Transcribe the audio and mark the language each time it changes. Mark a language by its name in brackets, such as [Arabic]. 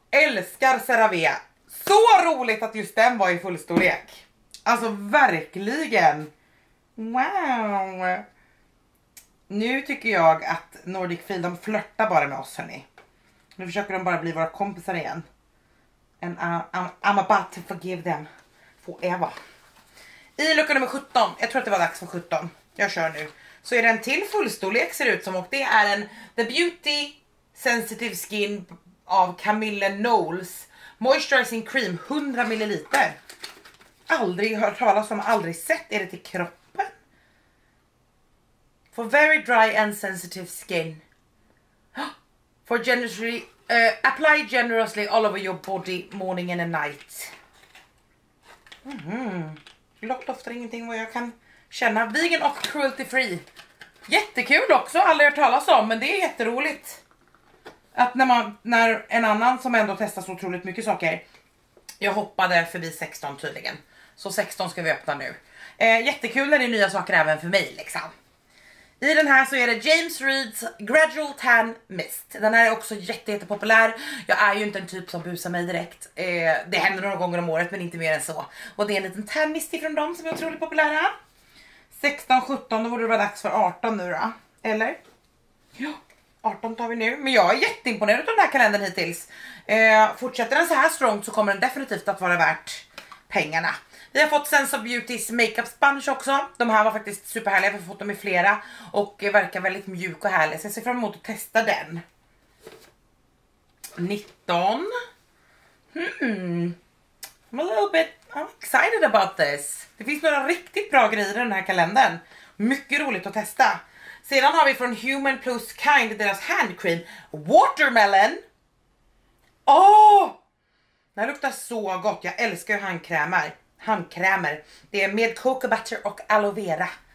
[Swedish] Älskar CeraVe. Så roligt att just den var i full storlek. Alltså verkligen. Wow. Nu tycker jag att Nordic Feel, de flörtar bara med oss hörni. Nu försöker de bara bli våra kompisar igen. [English] And I'm about to forgive them. [Swedish] Forever. I lucka nummer 17. Jag tror att det var dags för 17. Jag kör nu. Så är den till full storlek ser ut som. Och det är en The Beauty Sensitive Skin av Camille Knowles Moisturizing Cream, 100 ml. Aldrig hört talas om, aldrig sett. Är det till kroppen? [English] For very dry and sensitive skin. For generously, apply generously all over your body morning and night. [Swedish] Lock doftar ingenting vad jag kan känna. Vegan och cruelty free. Jättekul också, aldrig hört talas om, men det är jätteroligt. Att när, när en annan som ändå testar så otroligt mycket saker. Jag hoppade förbi 16 tydligen. Så 16 ska vi öppna nu. Jättekul när det är nya saker även för mig liksom. I den här så är det James Reeds Gradual Tan Mist. Den här är också jättepopulär. Jag är ju inte en typ som busar mig direkt. Det händer några gånger om året men inte mer än så. Och det är en liten tan mist ifrån dem som är otroligt populära. 16, 17, då borde det vara dags för 18 nu då. Eller? Ja. 18 tar vi nu, men jag är jätteimponerad av den här kalendern hittills. Fortsätter den så här strongt så kommer den definitivt att vara värt pengarna. Vi har fått Sense of Beauty's Makeup Sponge också. De här var faktiskt superhärliga, vi har fått dem i flera. Och verkar väldigt mjuk och härlig, så jag ser fram emot att testa den. 19. [English] I'm a little bit excited about this. [Swedish] Det finns några riktigt bra grejer i den här kalendern. Mycket roligt att testa. Sedan har vi från Human Plus Kind deras handcream, Watermelon. Åh! Den här luktar så gott, jag älskar ju handkrämer. Handkrämer, det är med cocoa butter och aloe vera.